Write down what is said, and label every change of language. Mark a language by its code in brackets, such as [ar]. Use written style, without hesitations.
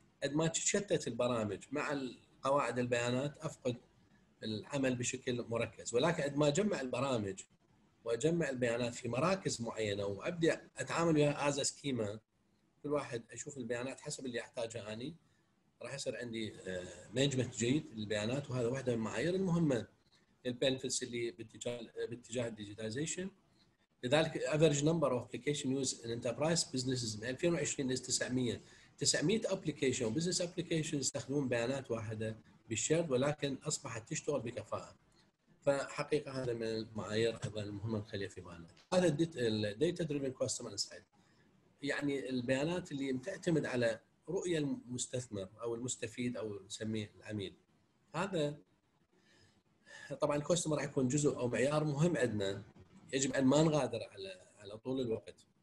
[ar] قد ما تشتت البرامج مع قواعد البيانات أفقد العمل بشكل مركز، ولكن قد ما أجمع البرامج وأجمع البيانات في مراكز معينة وأبدأ أتعامل بها [en] as a schema، [ar] كل واحد أشوف البيانات حسب اللي أحتاجها أني، راح يصير عندي management جيد للبيانات، وهذا واحدة من المعايير المهمة للبنفيتس اللي باتجاه الديجيتاليزيشن. [en] لذلك average number of application use in enterprise businesses من 2020 is 900 application business applications [ar] يستخدمون بيانات واحدة بالشيرد، ولكن أصبحت تشتغل بكفاءة. فحقيقة هذا من المعايير أيضا المهمة نخليها في بالنا. هذا [en] data driven customer insight، [ar] يعني البيانات اللي تعتمد على رؤية المستثمر أو المستفيد أو نسميه العميل. هذا طبعا الكوستمر راح يكون جزء أو معيار مهم عندنا، يجب أن ما نغادر على طول الوقت.